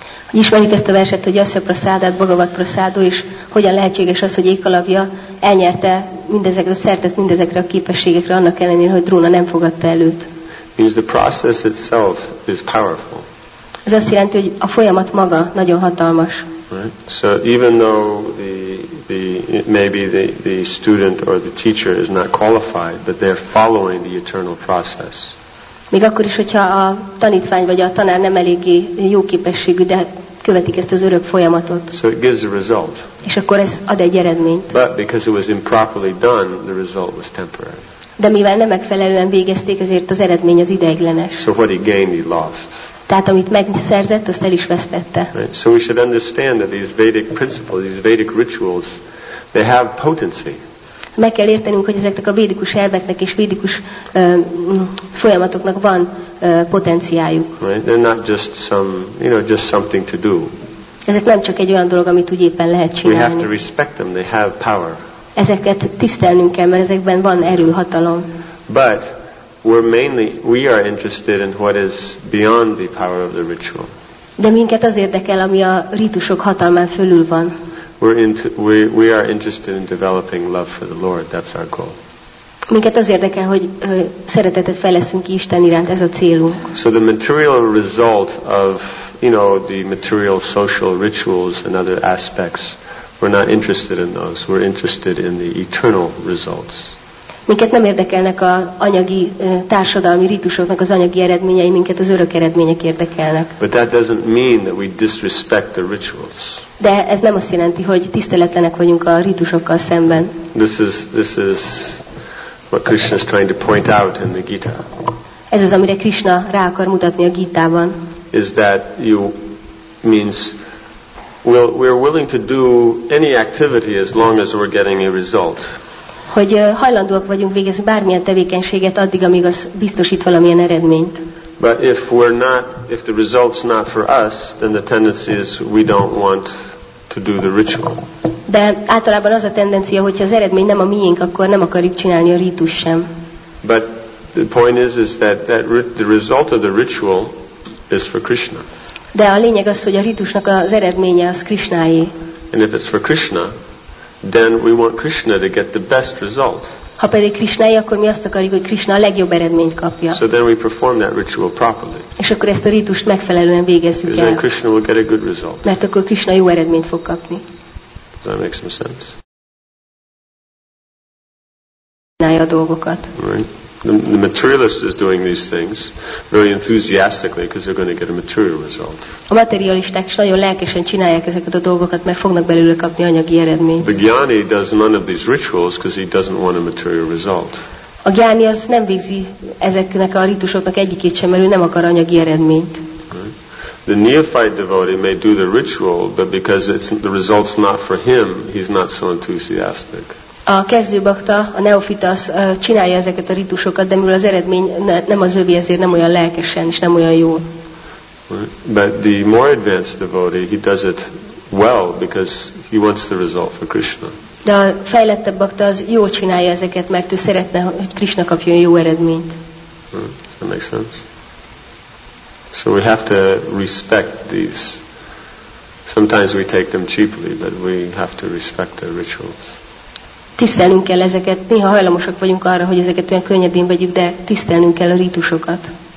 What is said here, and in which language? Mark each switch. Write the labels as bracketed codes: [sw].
[hu] Hogy ismerjük ezt a verset, hogy Jasya Prasadát, Bhagavat Prasadó, és hogyan lehetséges az, hogy Ekalavya elnyerte mindezekre a szertet, mindezekre a képességekre, annak ellenére, hogy Drona nem fogadta előtt. [en] Means the process itself is powerful. [hu] Ez azt jelenti, hogy a folyamat maga nagyon hatalmas. [en] Right. So even though maybe the student or the teacher is not qualified, but they're following the eternal process. [hu] Még akkor is, hogyha a tanítvány vagy a tanár nem eléggé jó képességű, de követik ezt az örök folyamatot. [en] So it gives a result. [hu] És akkor ez ad egy eredményt. [en] But because it was improperly done, the result was temporary. [hu] De mivel nem megfelelően végezték, ezért az eredmény az ideiglenes. [en] So what he gained, he lost. [hu] Tehát amit megszerzett, azt el is vesztette. [en] Right. So we should understand that these Vedic principles, these Vedic rituals, they have potency. [hu] Meg kell értenünk, hogy ezeknek a védikus elveknek és védikus folyamatoknak van potenciájuk. [en] Right? They're not just some, you know, just something to do. [hu] Ezek nem csak egy olyan dolog, amit úgy éppen lehet csinálni. [en] We have to respect them, they have power. [hu] Ezeket tisztelnünk kell, mert ezekben van erő, hatalom. [en] But we are interested in what is beyond the power of the ritual. [hu] De minket az érdekel, ami a rítusok hatalmán fölül van. [en] We are interested in developing love for the Lord. That's our goal. [hu] Minket az érdekel, hogy szeretetet fejleszünk ki Isten iránt, ez a célunk. [en] So the material result of, you know, the material social rituals and other aspects, we're not interested in those. We're interested in the eternal results. [hu] Minket nem érdekelnek az anyagi társadalmi rítusoknak az anyagi eredményei, minket az örök eredmények érdekelnek. [en] But that doesn't mean that we disrespect the rituals. [hu] De ez nem azt jelenti, hogy tiszteletlenek vagyunk a rítusokkal szemben. [en] This is what Krishna is trying to point out in the Gita. [hu] Ez az, amire Krishna rá akar mutatni a Gitában. [en] Is that you means we're willing to do any activity as long as we're getting a result. [hu] Hogy hajlandóak vagyunk végezni bármilyen tevékenységet addig, amíg az biztosít valamilyen eredményt. [en] But if we're not, if the result's not for us, then the tendency is we don't want to do the ritual. [hu] De általában az a tendencia, hogyha az eredmény nem a miénk, akkor nem akarjuk csinálni a rítus sem. [en] But the point is that the result of the ritual is for Krishna. [hu] De a lényeg az, hogy a rítusnak az eredménye az Krishnáé. [en] And if it's for Krishna, then we want Krishna to get the best result. [hu] Ha pedig Krishnáé, akkor mi azt akarjuk, hogy Krishna a legjobb eredményt kapja. [en] So then we perform that ritual properly. [hu] És akkor ezt a rítust megfelelően végezzük el. [en] Then Krishna will get a good result. [hu] Mert akkor Krishna jó eredményt fog kapni. [en] Does that make some sense? [hu] Csinálja a dolgokat. [en] Right. The materialist is doing these things very enthusiastically because they're going to get a material result. [hu] A materialisták nagyon lelkesen csinálják ezeket a dolgokat, mert fognak belőle kapni anyagi eredményt. [en] The gyani does none of these rituals because he doesn't want a material result. [hu] A gyani az nem végzi ezeknek a rítusoknak egyikét sem, mert ő nem akar anyagi eredményt. [en] The neophyte devotee may do the ritual, but because it's the result's not for him, he's not so enthusiastic. [hu] A kezdő bakta, a neofita csinálja ezeket a rítusokat, de mivel az eredmény nem az övé, ezért nem olyan lelkesen és nem olyan jó. [en] But the more advanced devotee, he does it well because he wants the result for Krishna. [hu] De a fejlettebb bakta az jól csinálja ezeket, mert ő szeretne, hogy Krishna kapjon jó eredményt. [en] Does that make sense? So we have to respect these. Sometimes we take them cheaply, but we have to respect the rituals. [hu] Tisztelnünk kell ezeket. Néha hajlamosak vagyunk arra, hogy ezeket olyan könnyedén vegyük, de tisztelnünk kell a rítusokat.